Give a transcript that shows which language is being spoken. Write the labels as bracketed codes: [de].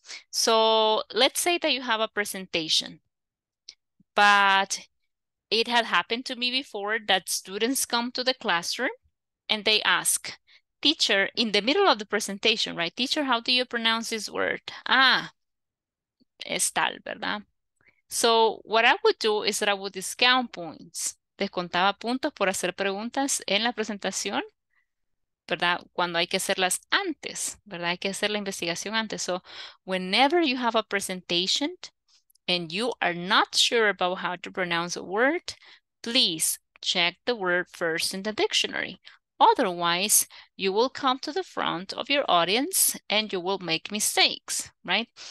[en] So let's say that you have a presentation, but it had happened to me before that students come to the classroom and they ask, teacher, in the middle of the presentation, right? Teacher, how do you pronounce this word? [es] Ah, es tal, ¿verdad? [en] So what I would do is that I would discount points. [es] Descontaba puntos por hacer preguntas en la presentación, ¿verdad? Cuando hay que hacerlas antes, ¿verdad? Hay que hacer la investigación antes. [en] So whenever you have a presentation and you are not sure about how to pronounce a word, please check the word first in the dictionary. Otherwise, you will come to the front of your audience and you will make mistakes, right?